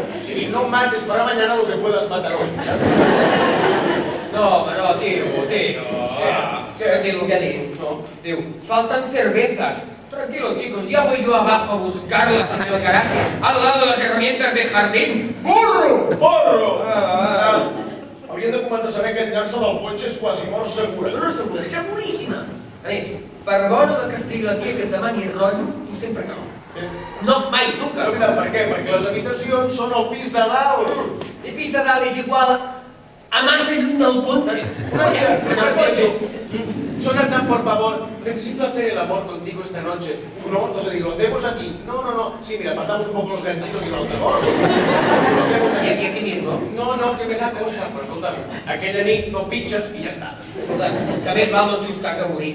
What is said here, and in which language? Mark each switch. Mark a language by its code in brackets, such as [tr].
[ca] O sigui, [es] no mates para mañana lo que puedas matar hoy. [ca] No, però, tio. Què? Sentir lo que ha dit. No. Diu, falten cervezas. [es] Tranquilo, chicos, ya voy yo abajo a buscarlas en el garaje, al lado de las herramientas de jardín. ¡Burro! ¡Burro! [ca] Hauríem de començar a saber que enllar-se del ponche és quasi mort segura. No segura, seguríssima. A més, per bona que estigui la tia que et demani rotllo, tu sempre no. No, mai, [es] nunca. [ca] Però mira, per què? Perquè les habitacions són al pis de dalt. El pis de dalt és igual a massa lluny del ponche. Una mica, per ponche. Jonathan, [es] por favor. Necesito hacer el amor contigo esta noche. Tú no, entonces digo, ¿lo hacemos aquí? No, no, no. Sí, mira, matamos un poco los ganchitos y la otra. ¿Y aquí mismo? No, no, que me da cosa. Pero escúchame, [ca] aquella nit no pitxes i ja està. Escolta, que més val no xustar que morir.